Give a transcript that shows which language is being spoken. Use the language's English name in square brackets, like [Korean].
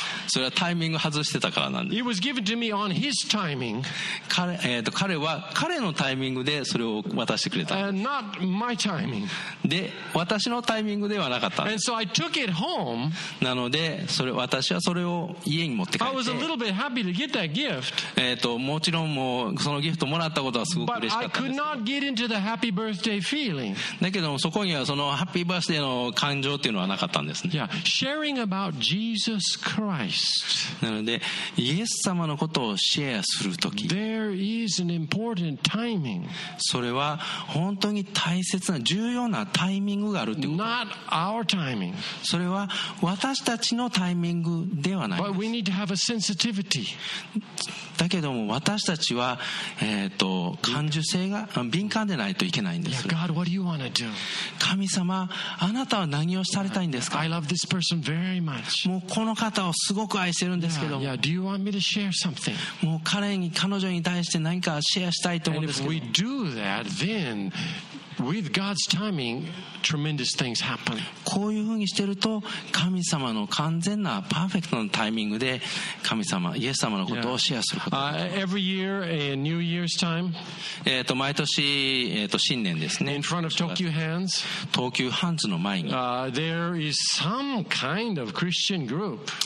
[Japanese] それはタイミング外してた。 [English] It was given to me on his timing. [Japanese] 彼は彼のタイミングでそれを渡してくれた。 [English] And not my timing. [Japanese] で、私のタイミングではなかった。 [English] And so I took it home. [Japanese] なので、それ私はそれを家に持って帰って。 [English] I was a little bit happy to get that gift. [Japanese] もちろんもうそのギフトもらったことはすごく嬉しかったんですけど。 [English] But I could not get into the happy birthday feeling. [Japanese] だけどそこにはそのハッピーバースデーの感情っていうのはなかったんですね。 [English] Yeah, sharing about Jesus Christ. [Japanese] なので。イエス様のことをシェアするとき、 [English] There is an important timing. [Japanese] それは本当に大切な重要なタイミングがあるということ。 [English] Not our timing. [Japanese] それは私たちのタイミングではないです。 [English] But we need to have a sensitivity. [Japanese] だけども私たちは感受性が敏感でないといけないんです。 [English] Yeah, God, what do you want to do? [Japanese] 神様、あなたは何をされたいんですか。 [English] I love this person very much. [Japanese] もうこの方をすごく愛してるんですけど。 [English] Yeah, yeah. Do you want me to share something? [Japanese] もう彼女に対して何かシェアしたいと思うんですけど。 [English] And if we do that, then with God's timing, tremendous things happen. [Japanese] こういうふうにしてると神様の完全なパーフェクトなタイミングで神様、イエス様のことをシェアすること。 [English] Yeah. Every year, New Year's time. [Japanese] 毎年、新年ですね。 [English] In front of Tokyo Hands. [Japanese] 東急ハンズの前に。 [English] There is some kind of Christian group.